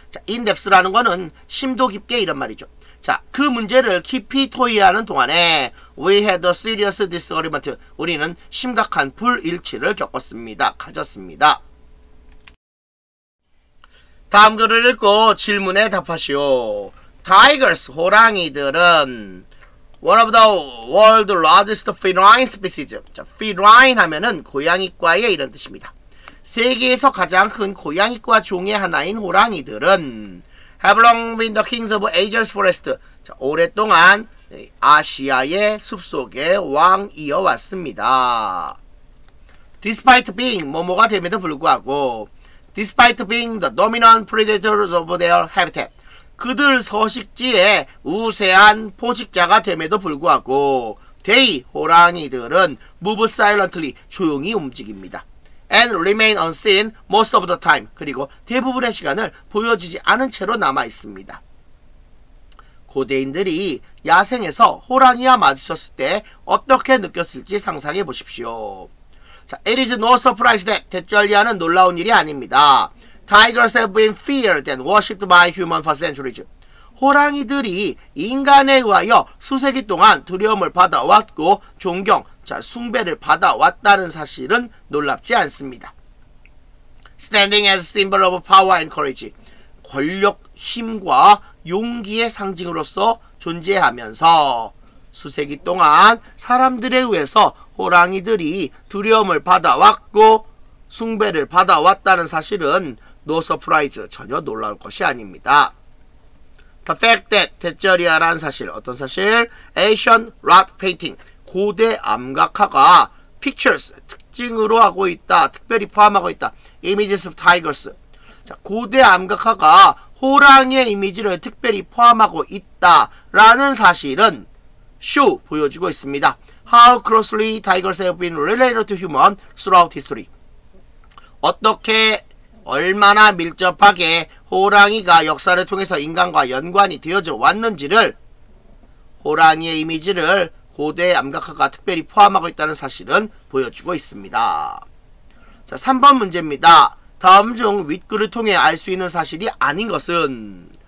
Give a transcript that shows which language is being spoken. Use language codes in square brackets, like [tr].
[ko] 자, [en] in depth [ko] 라는 거는 심도 깊게 이런 말이죠. 자, 그 문제를 깊이 토의하는 동안에 [en] we had a serious disagreement. [ko] 우리는 심각한 불일치를 겪었습니다. 가졌습니다. 다음 글을 읽고 질문에 답하시오. [en] Tigers, [ko] 호랑이들은 [en] one of the world's largest feline species. [ko] 자, feline 하면은 고양이과의 이런 뜻입니다. 세계에서 가장 큰 고양이과 종의 하나인 호랑이들은 [en] have long been the kings of Asia's forest. [ko] 자, 오랫동안 아시아의 숲속의 왕이어왔습니다. [en] Despite being [ko] 뭐뭐가 됨에도 불구하고 [en] despite being the dominant predators of their habitat. [ko] 그들 서식지에 우세한 포식자가 됨에도 불구하고 [en] they [ko] 호랑이들은 [en] move silently [ko] 조용히 움직입니다. [en] And remain unseen most of the time. [ko] 그리고 대부분의 시간을 보여지지 않은 채로 남아있습니다. 고대인들이 야생에서 호랑이와 마주쳤을 때 어떻게 느꼈을지 상상해 보십시오. [en] 자, it is no surprise that [ko] 대절리아는 놀라운 일이 아닙니다. [en] Tigers have been feared and worshipped by humans for centuries. [ko] 호랑이들이 인간에 의하여 수세기 동안 두려움을 받아왔고 존경, 자, 숭배를 받아왔다는 사실은 놀랍지 않습니다. [en] Standing as a symbol of power and courage. [ko] 권력, 힘과 용기의 상징으로서 존재하면서 수세기 동안 사람들에 의해서 호랑이들이 두려움을 받아왔고 숭배를 받아왔다는 사실은 [en] No surprise, [ko] 전혀 놀라울 것이 아닙니다. [en] The fact that [ko] 대저리아라는 사실, 어떤 사실? [en] Ancient rock painting, [ko] 고대 암각화가 [en] pictures, [ko] 특징으로 하고 있다, 특별히 포함하고 있다. [en] Images of tigers, [ko] 자, 고대 암각화가 호랑이의 이미지를 특별히 포함하고 있다라는 사실은 [en] show, [ko] 보여주고 있습니다. [en] How closely tigers have been related to humans throughout history. [ko] 어떻게 얼마나 밀접하게 호랑이가 역사를 통해서 인간과 연관이 되어져 왔는지를 호랑이의 이미지를 고대 암각화가 특별히 포함하고 있다는 사실은 보여주고 있습니다. 자, 3번 문제입니다. 다음 중 윗글을 통해 알 수 있는 사실이 아닌 것은?